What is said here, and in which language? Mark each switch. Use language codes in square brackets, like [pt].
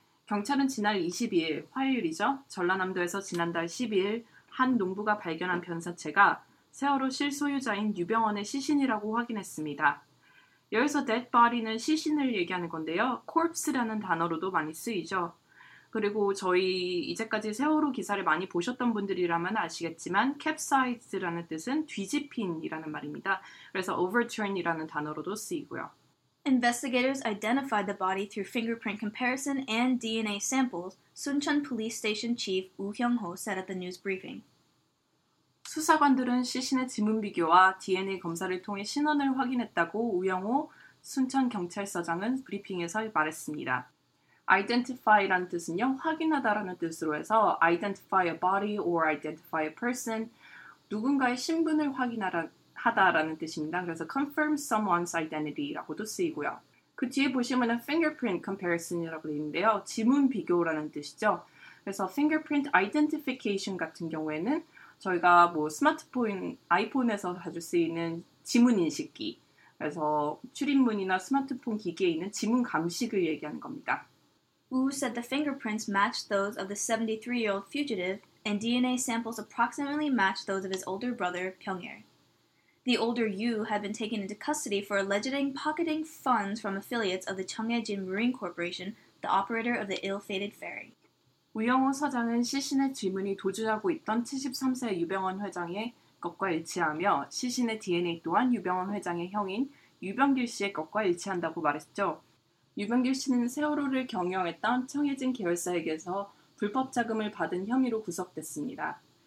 [ko] 경찰은 지난 22일, 화요일이죠. 전라남도에서 지난달 12일 한 농부가 발견한 변사체가 세월호 실소유자인 유병헌의 시신이라고 확인했습니다. 여기서 dead body는 시신을 얘기하는 건데요. corpse라는 단어로도 많이 쓰이죠. 그리고 저희 이제까지 세월호 기사를 많이 보셨던 분들이라면 아시겠지만 capsize라는 뜻은 뒤집힌이라는 말입니다. 그래서 overturn이라는 단어로도 쓰이고요. [en] Investigators identified the body through fingerprint comparison and DNA samples, Suncheon Police Station Chief Woo Hyung-ho said at the news briefing. [ko] 수사관들은 시신의 지문 비교와 DNA 검사를 통해 신원을 확인했다고 우영호 순천경찰서장은 브리핑에서 말했습니다. Identify라는 뜻은요, 확인하다라는 뜻으로 해서 [en] identify a body or identify a person, [ko] 누군가의 신분을 확인하다라는 뜻입니다. 그래서 [en] confirm someone's identity [ko] 라고도 쓰이고요. 그 뒤에 보시면 fingerprint comparison이라고 되어있는데요, 지문 비교라는 뜻이죠. 그래서 fingerprint identification 같은 경우에는 저희가 뭐 스마트폰, 아이폰에서 자주 쓰이는 지문 인식기, 그래서 출입문이나 스마트폰 기기에 있는 지문 감식을 얘기하는 겁니다. [en] Woo said the fingerprints matched those of the 73-year-old fugitive, and DNA samples approximately matched those of his older brother, Pyeong-il. The older Woo had been taken into custody for alleging pocketing funds from affiliates of the Cheonghaejin Marine Corporation, the operator of the ill-fated ferry. [ko] 우영호 서장은 시신의 지문이 도주하고 있던 73세 유병헌 회장의 것과 일치하며 시신의 DNA 또한 유병헌 회장의 형인 유병길 씨의 것과 일치한다고 말했죠. 유병길 씨는 세월호를 경영했던 청해진 계열사에게서 불법 자금을 받은 혐의로 구속됐습니다.